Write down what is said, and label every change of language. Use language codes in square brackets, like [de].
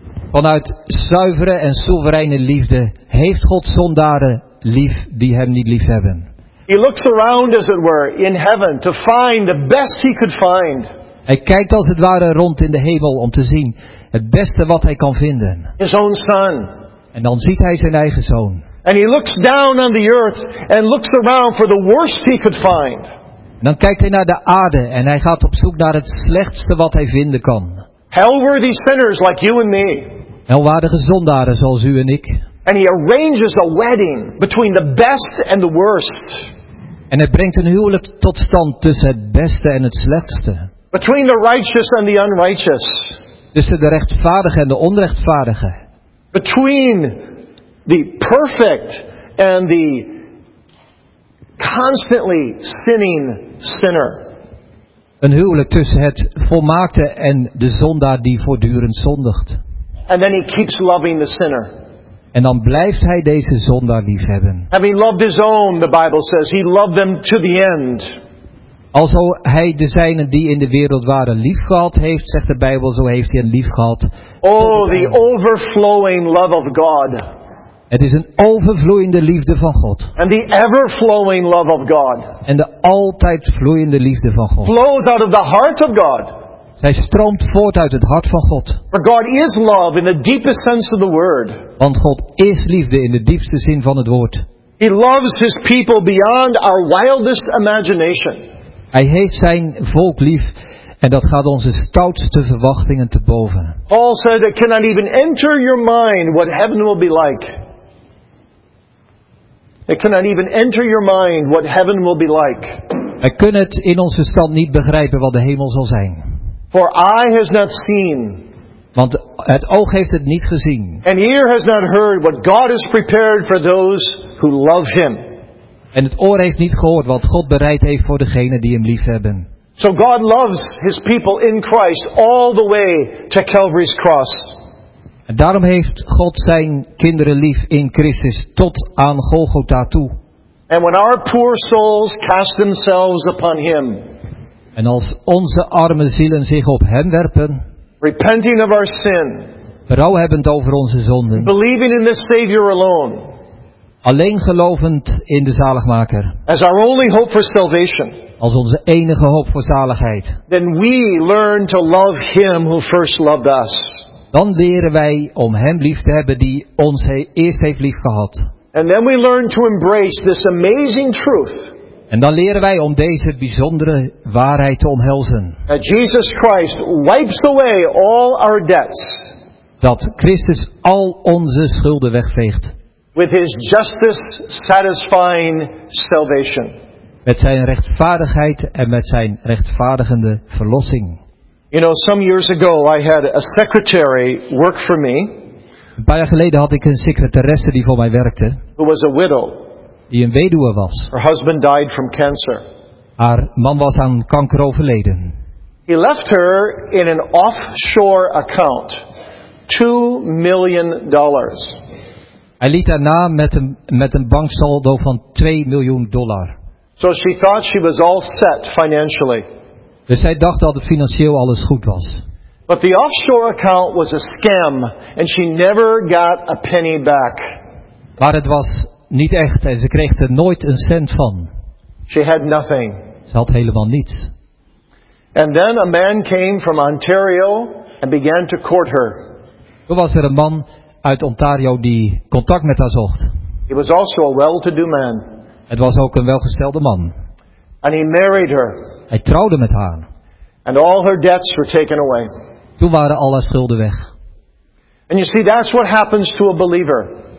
[nl] Vanuit zuivere en soevereine liefde heeft God zondaren lief die Hem niet lief hebben. [en] He looks around, as it were, in heaven to find the best he could find. [nl] Hij kijkt als het ware rond in de hemel om te zien het beste wat hij kan vinden. [en] His own son. [nl] En dan ziet hij zijn eigen zoon. [en] And he looks down on the earth and looks around for the worst he could find. [nl] En dan kijkt hij naar de aarde en hij gaat op zoek naar het slechtste wat hij vinden kan. [en] Hell-worthy sinners like you and me. [nl] Helwaardige zondaren zoals u en ik. [en] And he arranges a wedding between the best and the worst. [nl] En hij brengt een huwelijk tot stand tussen het beste en het slechtste. [en] Between the righteous and the unrighteous. [nl] Tussen de rechtvaardige en de onrechtvaardige. [en] Between the perfect and the constantly sinning sinner. [nl] Een huwelijk tussen het volmaakte en de zondaar die voortdurend zondigt. [en] And then he keeps loving the sinner. [nl] En dan blijft hij deze zondaar lief hebben. [en] Having loved his own, the Bible says, he loved them to the end. [nl] Alzo hij de zijnen die in de wereld waren lief gehad heeft, zegt de Bijbel, zo heeft hij hen lief gehad. [en] Oh, the overflowing love of God. [nl] Het is een overvloeiende liefde van God. [en] And the ever-flowing love of God. [nl] En de altijd vloeiende liefde van God. [en] Flows out of the heart of God. [nl] Zij stroomt voort uit het hart van God. [en] For God is love in the deepest sense of the word. [nl] Want God is liefde in de diepste zin van het woord. [en] He loves his people beyond our wildest imagination. [nl] Hij heeft zijn volk lief en dat gaat onze stoutste verwachtingen te boven. [en] Paul said it cannot even enter your mind what heaven will be like. It cannot even enter your mind what heaven will be like. [nl] Wij kunnen het in ons verstand niet begrijpen wat de hemel zal zijn. [en] For eye has not seen. [nl] Want het oog heeft het niet gezien. [en] And ear has not heard what God has prepared for those who love him. [nl] En het oor heeft niet gehoord wat God bereid heeft voor degenen die hem lief hebben. [en] So God loves his people in Christ all the way to Calvary's cross. [nl] En daarom heeft God zijn kinderen lief in Christus tot aan Golgotha toe. [en] And when our poor souls cast themselves upon him. [nl] En als onze arme zielen zich op hem werpen. [en] Repenting of our sin. [nl] Berouw hebbend over onze zonden. [en] Believing in the Savior alone. [nl] Alleen gelovend in de zaligmaker. [en] As our only hope for salvation. [nl] Als onze enige hoop voor zaligheid. [en] Then we learn to love him who first loved us. [nl] Dan leren wij om hem lief te hebben die ons eerst heeft lief gehad. [en] And then we learn to embrace this amazing truth. [nl] En dan leren wij om deze bijzondere waarheid te omhelzen. [en] That Jesus Christ wipes away all our debts. [nl] Dat Christus al onze schulden wegveegt. [en] With his justice-satisfying salvation. [nl] Met zijn rechtvaardigheid en met zijn rechtvaardigende verlossing. [en] You know, some years ago I had a secretary work for me. [nl] Een paar jaar geleden had ik een secretaresse die voor mij werkte. [en] Who was a widow. [nl] Die een weduwe was. [en] Her husband died from cancer. [nl] Haar man was aan kanker overleden. [en] He left her in an offshore account $2 million. [nl] Hij liet haar na met een banksaldo van $2 million. [en] So she thought she was all set financially. [nl] Dus zij dacht dat het financieel alles goed was. [en] But the offshore account was a scam and she never got a penny back. [nl] Maar het was niet echt en ze kreeg er nooit een cent van. [en] She had nothing. [nl] Ze had helemaal niets. [en] And then a man came from Ontario and began to court her. [nl] Toen was er een man uit Ontario die contact met haar zocht. [en] He was also a well-to-do man. [nl] Het was ook een welgestelde man. [en] And he married her. [nl] Hij trouwde met haar. [en] And all her debts were taken away. [nl] Toen waren al haar schulden weg. [en] And you see, that's what happens to a believer.